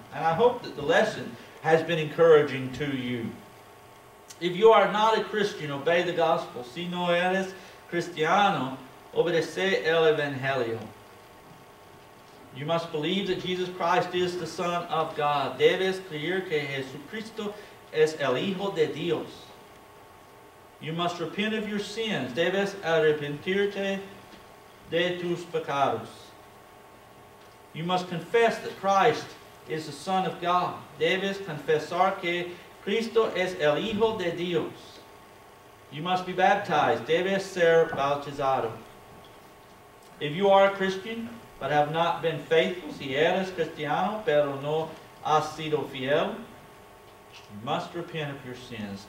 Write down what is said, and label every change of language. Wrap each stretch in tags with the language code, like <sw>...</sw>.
<en>And I hope that the lesson has been encouraging to you. If you are not a Christian, obey the gospel.</en> <es>Si no eres cristiano, obedece el evangelio.</es> <en>You must believe that Jesus Christ is the Son of God.</en> <es>Debes creer que Jesucristo es el Hijo de Dios.</es> <en>You must repent of your sins.</en> <es>Debes arrepentirte de tus pecados.</es> <en>You must confess that Christ is the Son of God.</en> <es>Debes confesar que Cristo es el Hijo de Dios.</es> <en>You must be baptized.</en> <es>Debes ser bautizado.</es> <en>If you are a Christian, but have not been faithful,</en> <es>si eres cristiano, pero no has sido fiel,</es> <en>you must repent of your sins.</en>